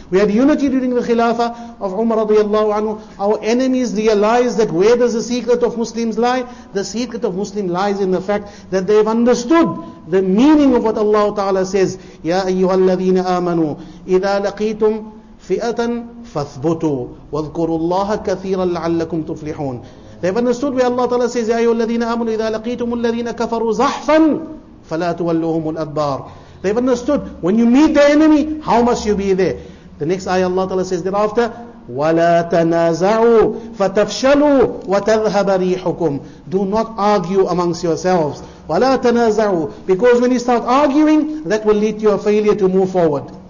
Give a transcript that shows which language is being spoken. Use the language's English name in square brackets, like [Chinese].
[English] We had unity during the Khilafah of Umar radiyallahu anhu. Our enemies realized that where does the secret of Muslims lie? The secret of Muslims lies in the fact that they have understood the meaning of what Allah Ta'ala says, [Arabic] يَا أَيُّهَا الَّذِينَ آمَنُوا إِذَا لَقِيتُمْ فِئَةً فَاثْبُتُوا وَاذْكُرُوا اللَّهَ كَثِيرًا لَعَلَّكُمْ تُفْلِحُونَ. [English] They have understood where Allah Ta'ala says, [Arabic] يَا أَيُّهَا الَّذِينَ آمَنُوا إِذَا لَقِيتُمُ الَّذِينَ كَفَرُوا زَحْفًا فَلَا تُوَلُّهُمُ الْأَدْبَارِ. [English] They have understood, when you meet the enemy, how must you be there? The next ayah Allah Ta'ala says thereafter, [Arabic] وَلَا تَنَازَعُوا فَتَفْشَلُوا وَتَذْهَبَ رِيحُكُمْ. [English] Do not argue amongst yourselves. [Arabic] وَلَا تَنَازَعُوا. [English] Because when you start arguing, that will lead to your failure to move forward.